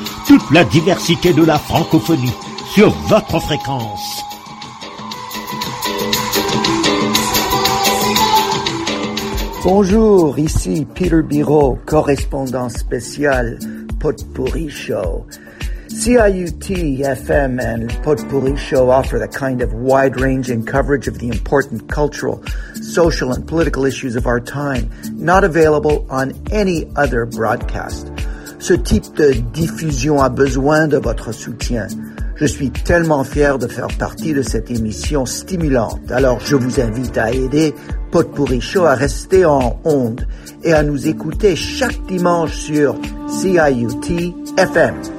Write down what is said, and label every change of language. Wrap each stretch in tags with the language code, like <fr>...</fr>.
<fr>Toute la diversité de la francophonie sur votre fréquence. Bonjour, ici Peter Biraud, correspondant spécial Pot-pourri Show.</fr> <en>CIUT FM and Pot-pourri Show offer the kind of wide-ranging coverage of the important cultural, social, and political issues of our time, not available on any other broadcast.</en> <fr>Ce type de diffusion a besoin de votre soutien. Je suis tellement fier de faire partie de cette émission stimulante. Alors, je vous invite à aider Pot-pourri Show à rester en onde et à nous écouter chaque dimanche sur CIUT FM.</fr>